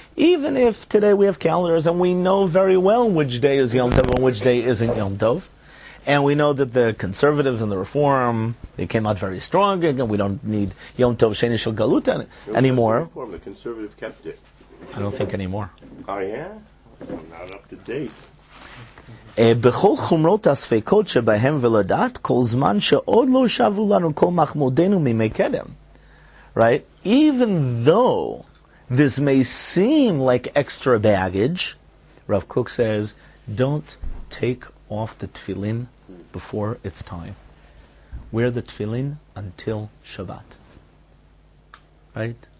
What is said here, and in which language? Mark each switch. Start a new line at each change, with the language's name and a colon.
English: Even if today we have calendars and we know very well which day is Yom Tov and which day isn't Yom Tov, and we know that the conservatives and the reform, they came out very strong, and we don't need Yom Tov Sheni Shel Galut anymore. The conservative kept it. I don't think anymore. I am? I'm not up to date.
Hebrew: בכל חומרות הספקות שבהם ולדעת כל זמן שעוד לא שבו לנו כל מחמודנו מימי קדם.
English: Right? Even though this may seem like extra baggage, Rav Kook says, don't take off the tefillin before it's time. Wear the tefillin until Shabbat. Right?